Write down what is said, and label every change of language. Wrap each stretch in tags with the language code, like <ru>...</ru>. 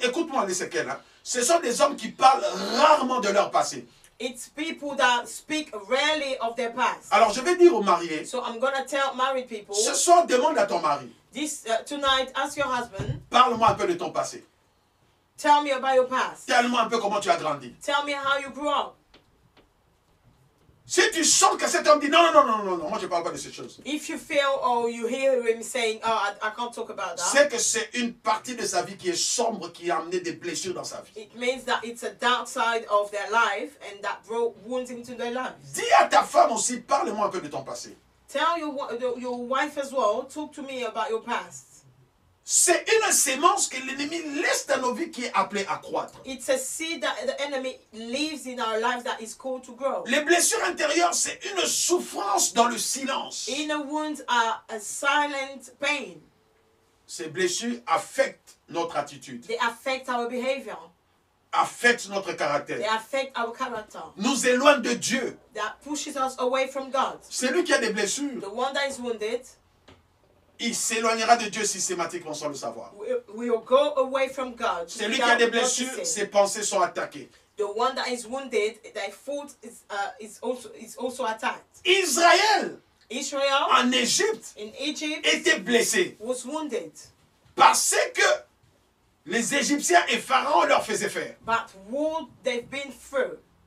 <fr>Écoute-moi, les séquelles. Hein. Ce sont des hommes qui parlent rarement de leur passé.</fr> <en>It's people that speak rarely of their past.</en> <fr>Alors je vais dire aux mariés.</fr> <en>So I'm gonna tell married people.</en> <fr>Ce soir, demande à ton mari.</fr> <en>This tonight, ask your husband.</en> <fr>Parle-moi un peu de ton passé.</fr> <en>Tell me about your past.</en> <fr>Tell-moi un peu comment tu as grandi.</fr> <en>Tell me how you grew up.</en> <fr>Si tu sens que cet homme dit non, moi je ne parle pas de ces choses.</fr> <en>If you feel or you hear him saying, oh, I can't talk about that.</en> <fr>C'est que c'est une partie de sa vie qui est sombre, qui a amené des blessures dans sa vie.</fr> <en>It means that it's a dark side of their life and that brought wounds into their lives.</en> <fr>Dis à ta femme aussi, parle-moi un peu de ton passé.</fr> <en>Tell your wife as well, talk to me about your past.</en> <fr>C'est une semence que l'ennemi laisse dans nos vies qui est appelée à croître.</fr> <en>It's a seed that the enemy leaves in our lives that is called to grow.</en> <fr>Les blessures intérieures, c'est une souffrance dans le silence.</fr> <en>Inner wounds are a silent pain.</en> <fr>Ces blessures affectent notre attitude.</fr> <en>They affect our behavior.</en> <fr>Affectent notre caractère.</fr> <en>They affect our character.</en> <fr>Nous éloignent de Dieu.</fr> <en>That pushes us away from God.</en> <fr>Celui qui a des blessures.</fr> <en>The one that is wounded.</en> <fr>Il s'éloignera de Dieu systématiquement sans le savoir.</fr> <en>We'll go away from God.</en> <fr>Celui qui a des blessures, ses pensées sont attaquées.</fr> <en>The one that is wounded, their thought is also attacked.</en> <fr>Israël, en Égypte,</fr> <en>in Egypt,</en> <fr>était blessé.</fr> <en>Was wounded.</en> <fr>Parce que les Égyptiens et Pharaon leur faisaient faire.</fr> <en>But would they've been through?</en>